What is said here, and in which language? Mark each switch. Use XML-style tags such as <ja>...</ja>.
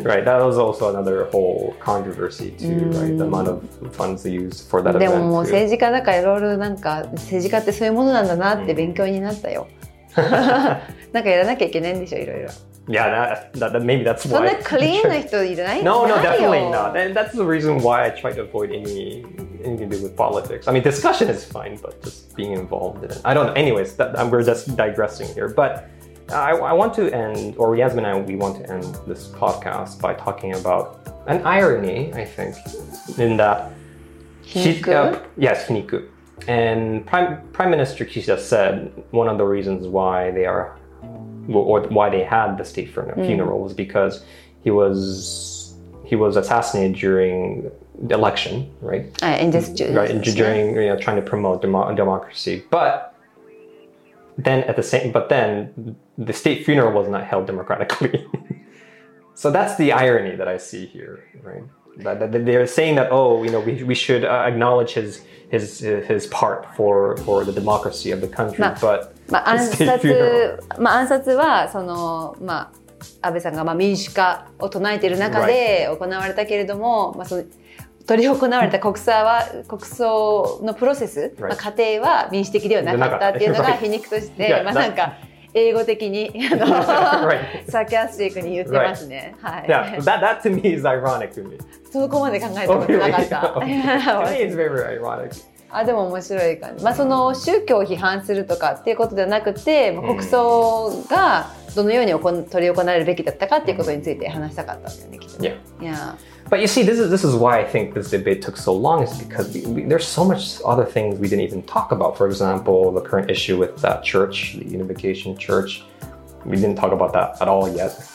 <en>Right, that was also another whole controversy too, right? The amount of funds used for that event.</en> <ja>でももう政治家だからいろいろなんか政治家ってそういうものなんだなって勉強になったよ。なんかやらなきゃいけないんでしょ、いろいろ。</ja> <en>Yeah, that maybe that's why.</en> <ja>そんなクリーンな人いない？</ja> <en>No, no, definitely not. And that's the reason why I try to avoid anything to do with politics. I mean, discussion is fine, but just being involved in it. I don't know. Anyways, we're just digressing here, but. I want to end, or Yasmin and I, we want to end this podcast by talking about an irony, I think, in that... Hiniku? Yes, Hiniku. And Prime Minister Kishida said one of the reasons why they are, or why they had the state funeral、mm. was because he was assassinated during the election, right? Trying to promote democracy. But then the state funeral was not held democratically. So that's the irony that I see here, right? That they're saying that, oh, you know, we should acknowledge his part for the democracy of the country, but the state funeral.</en> <ja>まあ暗殺はその、まあ、安倍さんがまあ民主化を唱えている中で行われたけれども、right. まあその取り行われた国葬のプロセス、right. まあ、過程は民主的ではなかったっていうのが皮肉として、right. yeah, まあなんか英語的にサーキャスティックに言ってますね。</ja> <en>Right. はい。 Yeah, that to me is ironic to me.</en> <ja>そこまで考えたことなかった。</ja> <en>Oh, really? Okay. It's very ironic.</en> <ja>あ、でも面白い感じ。まあその宗教を批判するとかっていうことではなくて、mm. 国葬がどのように取り行われるべきだったかっていうことについて話したかったんだよね、きっと。</ja> <en>Yeah. Yeah. But you see, this is why I think this debate took so long, is because we, there's so much other things we didn't even talk about. For example, the current issue with that church, the Unification Church, we didn't talk about that at all yet.</en>